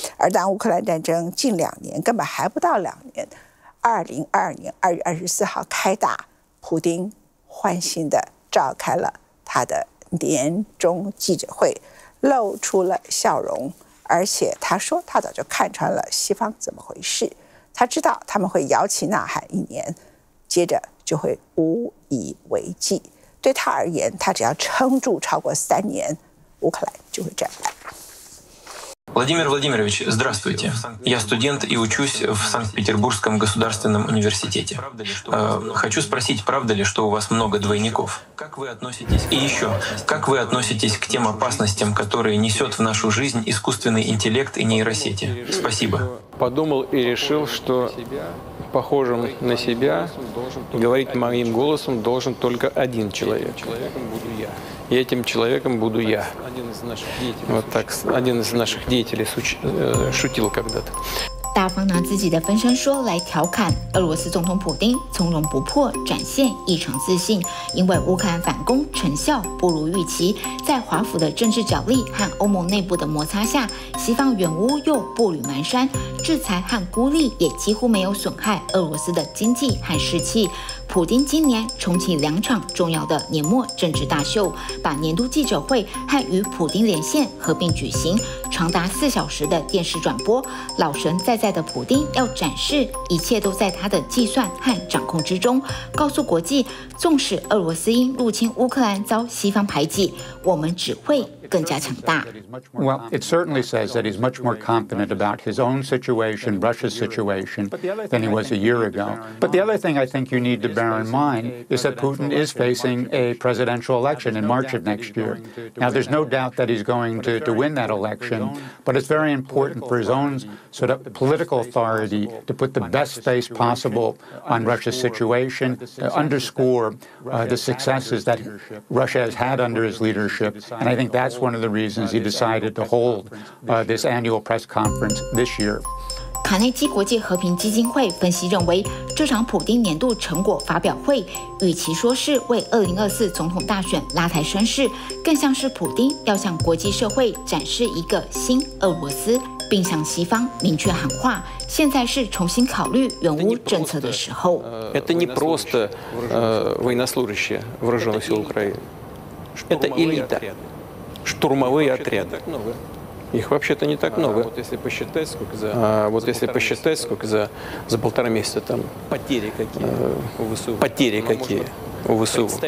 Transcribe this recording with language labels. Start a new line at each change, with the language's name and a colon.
Chinese: 而当乌克兰战争近两年，根本还不到两年，2022年2月24号开打，普丁欢欣地召开了他的年终记者会，露出了笑容，而且他说他早就看穿了西方怎么回事，他知道他们会摇旗呐喊一年，接着就会无以为继。对他而言，他只要撑住超过3年，乌克兰就会战败。
Russian: Владимир Владимирович, здравствуйте. Я студент и учусь в Санкт-Петербургском государственном университете. Хочу спросить, правда ли, что у вас много двойников? И еще, как вы относитесь к тем опасностям, которые несет в нашу жизнь искусственный интеллект и нейросети? Спасибо. Подумал и решил, что похожим на себя говорить моим голосом должен только один человек. И этим человеком буду я. Вот так один из наших деятелей шутил когда-то.
Chinese: 大方拿自己的分身说来调侃俄罗斯总统普丁从容不迫，展现异常自信，因为乌克兰反攻成效不如预期，在华府的政治角力和欧盟内部的摩擦下，西方远乌又步履蹒跚，制裁和孤立也几乎没有损害俄罗斯的经济和士气。普丁今年重启两场重要的年末政治大秀，把年度记者会和与普丁连线合并举行，长达4小时的电视转播，老神在的普丁要展示一切都在他的计算和掌控之中，告诉国际，纵使俄罗斯因入侵乌克兰遭西方排挤，我们只会更加强大。
English: Well, it certainly says that he's much more confident about his own situation, Russia's situation, than he was a year ago. But the other thing I think you need to bear in mind is that Putin is facing a presidential election in March of next year. Now, there's no doubt that he's going to win that election, but it's very important for his own sort of political authority to put the best face possible on Russia's situation, to underscore the successes that Russia has had under his leadership. And I think that's one of the reasons he decided to hold this annual press conference this year.
Chinese: 卡内基国际和平基金会分析认为，这场普丁年度成果发表会，与其说是为2024总统大选拉抬声势，更像是普丁要向国际社会展示一个新俄罗斯，并向西方明确喊话，现在是重新考虑援乌政策的时候。
Russian: Это не просто военнослужащие вооруженных сил Украины, это элита. Штурмовые отряды. Их вообще-то не так много. Вот если посчитать, сколько за полтора месяца там потери какие у ВСУ.